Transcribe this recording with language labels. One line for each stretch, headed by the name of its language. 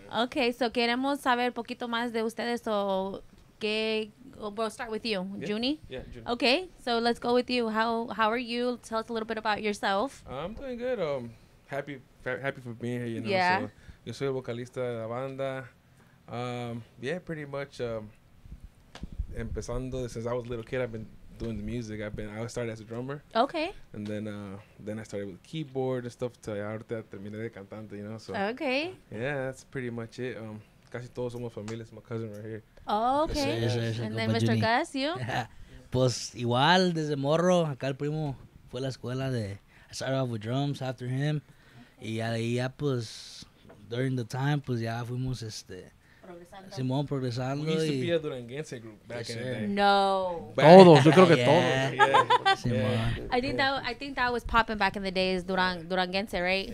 Spanish: Okay, so queremos saber un poquito más de ustedes o so qué...
English: We'll start with you, yeah. Juni. Yeah, Juni. Okay, so let's go with you. How are you? Tell us a little bit about yourself. I'm doing good. Happy for being here, you know. Yeah.
Spanish: So, yo soy el vocalista de la banda.
English: Yeah, pretty much.
Spanish: Empezando
English: since I was a little kid, I've been doing the music. I started as a drummer. Okay. And then I started with keyboard and stuff.
Spanish: Ahorita terminé de cantante,
English: you know.
Spanish: So.
English: Okay. Yeah, that's pretty much it.
Spanish: Casi todos somos familia.
English: My cousin right here. Oh, okay. Yes. And then Mr. Gus, you.
Spanish: Pues igual desde morro acá el primo fue a la escuela de.
English: I started off with drums after him, okay.
Spanish: Y ya pues
English: during the time
Spanish: pues ya fuimos progresando. Simón progresando.
English: We used to be a Duranguense group back in the day.
Spanish: No. Todos, yo creo que todos.
English: Yeah.
Spanish: Simón.
English: Yeah. I think that was popping back in the days, Duranguense, right?